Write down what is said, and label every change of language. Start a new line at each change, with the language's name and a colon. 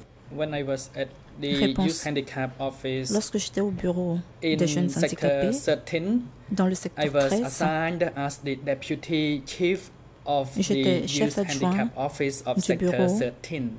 English: When I was at the youth handicap office,
French: lorsque j'étais au bureau des jeunes handicapés, dans le secteur 13,
English: I was assigned as the deputy chief of the youth handicap office of sector 13.